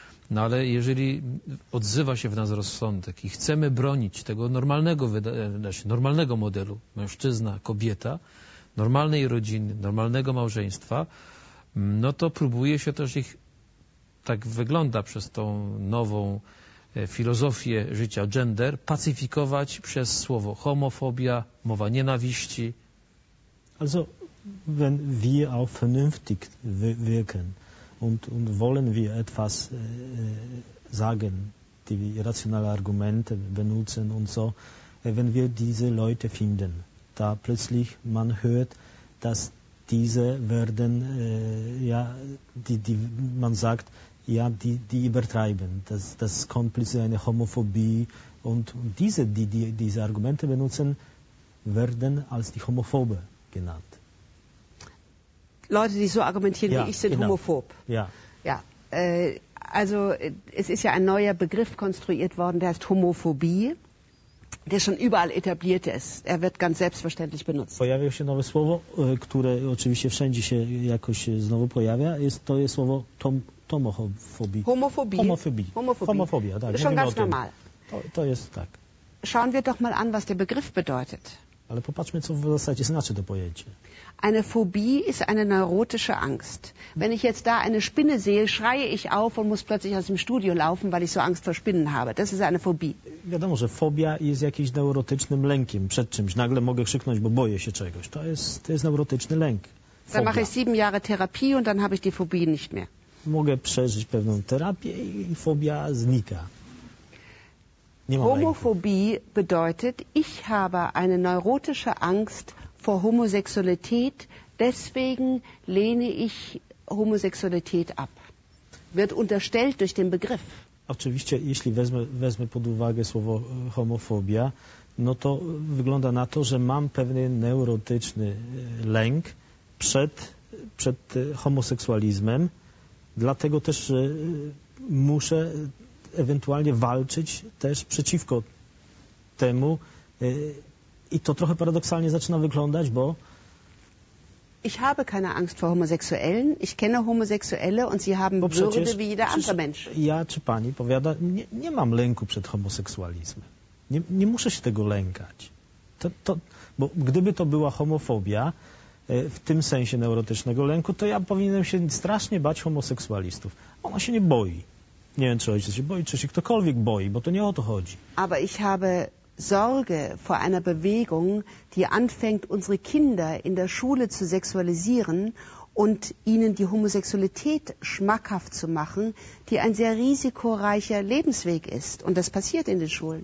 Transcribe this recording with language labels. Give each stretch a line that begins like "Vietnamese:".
Polish: No ale jeżeli odzywa się w nas rozsądek i chcemy bronić tego normalnego modelu, mężczyzna, kobieta, normalnej rodziny, normalnego małżeństwa, no to próbuje się też ich, tak wygląda przez tą nową filozofię życia gender, pacyfikować przez słowo homofobia, mowa nienawiści.
German: Also, wenn wir auch vernünftig wirken und wollen wir etwas sagen, die irrationale Argumente benutzen und so, wenn wir diese Leute finden, da plötzlich man hört, dass diese werden, man sagt, ja, die übertreiben, das kommt plötzlich eine Homophobie und diese, die diese Argumente benutzen, werden als die Homophobe genannt. Leute, die so argumentieren wie ich, sind homophob. Ja. Ja. Also es ist ja ein neuer Begriff konstruiert worden, der heißt Homophobie, der schon überall etabliert ist. Er wird ganz selbstverständlich benutzt.
Polish: Pojawiło się nowe słowo, które oczywiście wszędzie się jakoś znowu pojawia. To jest słowo homophobie.
German: Homophobie.
Polish: Homophobie, tak.
German: Schon ganz normal.
Polish: To jest tak.
German: Schauen wir doch mal an, was der Begriff bedeutet.
Polish: Ale popatrzmy, co w zasadzie znaczy to pojęcie.
German: Eine Phobie ist eine neurotische Angst. Wenn ich jetzt da eine Spinne sehe, schreie ich auf und muss plötzlich aus dem Studio laufen, weil ich so Angst vor Spinnen habe. Das ist eine Phobie.
Polish: Wiadomo, że fobia jest jakimś neurotycznym lękiem przed czymś. Nagle mogę krzyknąć, bo boję się czegoś. To jest neurotyczny lęk. Fobia.
German: Dann mache ich 7 Jahre Therapie und dann habe ich die Phobie nicht mehr.
Polish: Mogę przeżyć pewną terapię i fobia znika.
German: Homophobie bedeutet, ich habe eine neurotische Angst vor Homosexualität, deswegen lehne ich Homosexualität ab. Wird unterstellt durch den Begriff.
Polish: Oczywiście, jeśli wezmę pod uwagę słowo homofobia, no to wygląda na to, że mam pewien neurotyczny lęk przed homoseksualizmem, dlatego też muszę ewentualnie walczyć też przeciwko temu. I to trochę paradoksalnie zaczyna wyglądać, bo...
German: Ich habe keine Angst vor Homosexuellen. Ich kenne Homosexuelle und sie haben Würde wie jeder andere Mensch.
Polish: Ja czy pani powiada, nie mam lęku przed homoseksualizmem. Nie muszę się tego lękać. Bo gdyby to była homofobia w tym sensie neurotycznego lęku, to ja powinienem się strasznie bać homoseksualistów. Ona się nie boi. Nie wiem, czy ojciec się boi, czy się ktokolwiek boi, bo to nie o to chodzi.
German: Aber ich habe Sorge vor einer Bewegung, die anfängt, unsere Kinder in der Schule zu sexualisieren und ihnen die Homosexualität schmackhaft zu machen, die ein sehr risikoreicher Lebensweg ist. Und das passiert in den Schulen.